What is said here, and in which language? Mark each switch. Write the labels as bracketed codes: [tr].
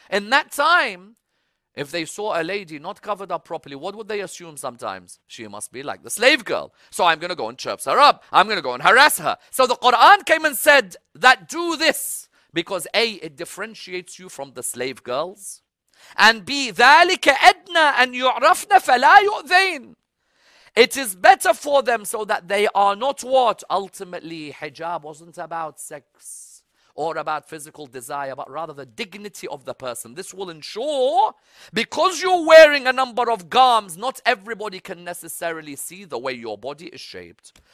[en] In that time, if they saw a lady not covered up properly, what would they assume sometimes? She must be like the slave girl. So I'm going to go and chirps her up. I'm going to go and harass her. So the Quran came and said that do this because A, it differentiates you from the slave girls. And B, [ar] ذَلِكَ أَدْنَى أَنْ يُعْرَفْنَ فَلَا يُؤْذَيْنَ. [en] It is better for them so that they are not what? Ultimately, hijab wasn't about sex or about physical desire, but rather the dignity of the person. This will ensure, because you're wearing a number of garms, not everybody can necessarily see the way your body is shaped.